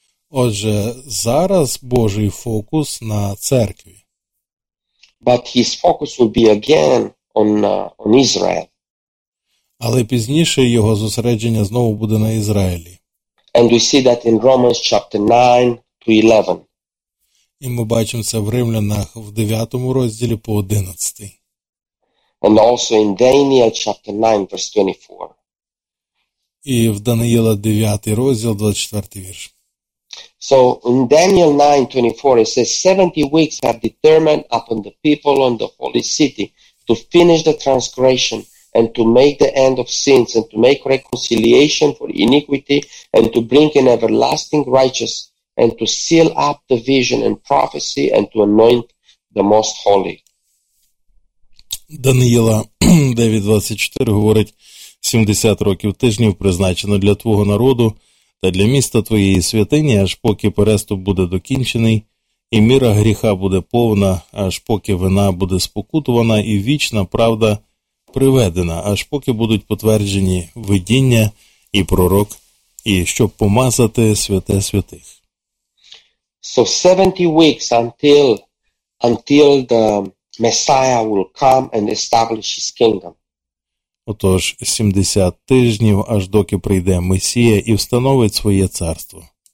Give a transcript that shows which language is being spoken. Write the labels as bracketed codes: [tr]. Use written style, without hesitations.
[uk] Отже, зараз Божий фокус на церкві. [en] But his focus will be again on Israel. [uk] Але пізніше його зосередження знову буде на Ізраїлі. [en] And we see that in Romans chapter 9 to 11. [uk] І ми бачимо це в Римлянах в 9-му розділі по 11-й. [en] And also in Daniel chapter 9 verse 24. [uk] І в Даниїла 9 розділ 24 вірш. [en] So in Daniel 9:24 it says 70 weeks are determined upon the people on the holy city to finish the transgression and to make the end of sins and to make reconciliation for iniquity and to bring in everlasting righteousness and to seal up the vision and prophecy and to anoint the most holy. [uk] Даниїла 9:24 говорить: 70 років тижнів призначено для твого народу та для міста твоєї святині, аж поки переступ буде докінчений, і міра гріха буде повна, аж поки вина буде спокутувана, і вічна правда приведена, аж поки будуть потверджені видіння і пророк, і щоб помазати святе святих. [en] So 70 weeks until the Messiah will come and establish his kingdom. [uk] Отож, 70 тижнів, аж доки прийде Месія і встановить своє царство.